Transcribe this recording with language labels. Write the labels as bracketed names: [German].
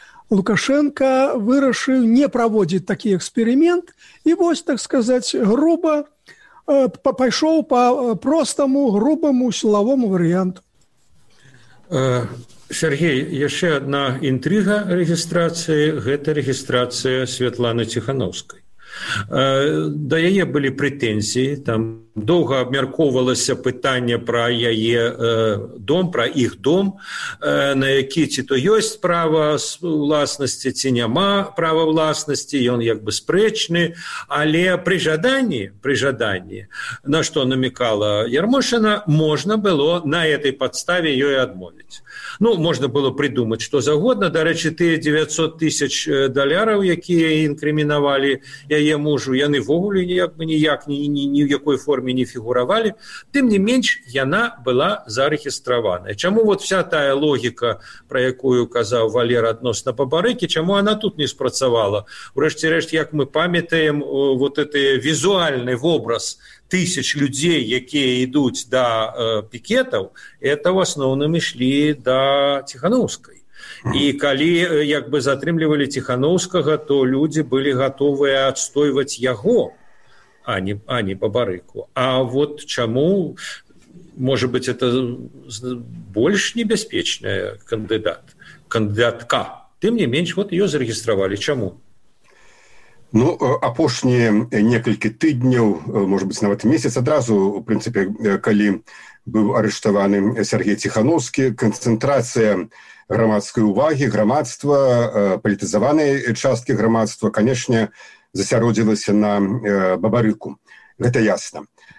[Russian] Лукашенко вырашил не проводить такие эксперимент и вот, так сказать, грубо пошел по простому, грубому силовому варианту. Сергей, еще одна интрига регистрации – это регистрация Светланы Тихановской. До ее были претензии, там [Belarusian] Доўга абмяркоўвалася пытанне пра яе дом, пра іх дом, на які ці то ёсць права ўласнасці, ці няма права ўласнасці, ён як бы спрэчны, але пры жаданні, на што намекала Ярмошына, можна было на гэтай падставе ёй адмовіць. Ну, можна было прыдумаць, што загодна, дарэчы, тыя 900 тысяч даляраў, якія інкрымінавалі яе мужу, яны ўвогуле як бы ніяк ні ў якой форме не фігуравалі, тым не менш яна была зарэгістравана. Чаму вот вся тая логіка, пра якую казаў Валера адносна Пабарыкі, чаму она тут не спрацавала? Урэшце рэшт, як мы памятаем, вот гэты візуальны вобраз тысяч людзей, якія ідуць да пікетаў, это ў асноўным ішлі да Ціхановскай. І калі як бы затрымлівалі Ціхановскага, то людзі былі гатовыя адстойваць яго. А не Пабарыку. А вот чаму, можа быць, это больш небяспечная кандыдатка. Тым не менш, вот ее зарегистравалі. Чаму? Ну, апошнія некалькі тыдняў, можа быць, нават месяц адразу, у прынцыпе, калі быў арыштаваны Сергей Ціхановскі, канцэнтрацыя грамадскай увагі, грамадства, палітызаванай часткі грамадства, канешне, засяродзілася на Бабарыку. Гэта ясна.